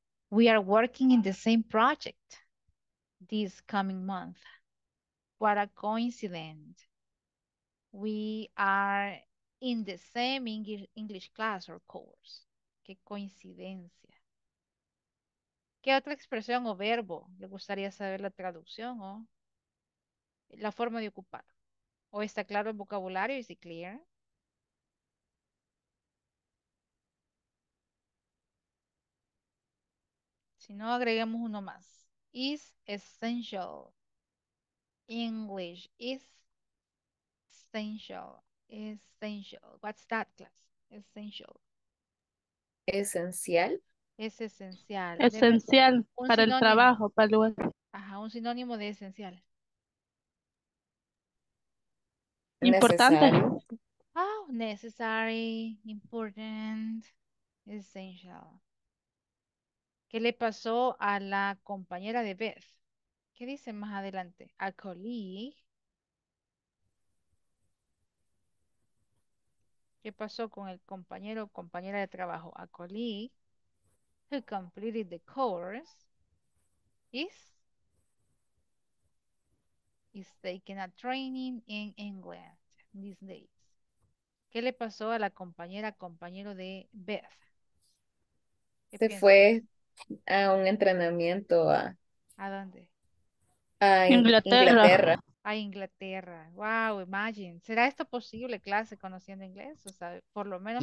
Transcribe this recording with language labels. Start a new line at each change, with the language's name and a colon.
English: We are working in the same project this coming month. What a coincidence. We are in the same English class or course.
Spanish: Qué coincidencia. ¿Qué otra expresión o verbo? ¿Le gustaría saber la traducción o la forma de ocupar? ¿O está claro el vocabulario?
English: Is it clear?
Spanish: Si no, agreguemos uno más.
English: Is essential. English is essential. Essential. What's that, class? Essential.
Spanish: Esencial. Es esencial. Esencial para el trabajo, para el lugar. Ajá, un sinónimo de esencial. Importante.
English: Necessary. Oh, necessary, important, essential.
Spanish: ¿Qué le pasó a la compañera de Beth? ¿Qué dice más adelante?
English: A colleague.
Spanish: ¿Qué pasó con el compañero o compañera de trabajo?
English: A colleague who completed the course is taking a training in England these days.
Spanish: ¿Qué le pasó a la compañera o compañero de Beth? Se fue a un entrenamiento a... ¿A dónde? A Inglaterra. A Inglaterra.
English: Wow, imagine.
Spanish: ¿Será esto posible, clase, conociendo inglés? O sea, por lo menos...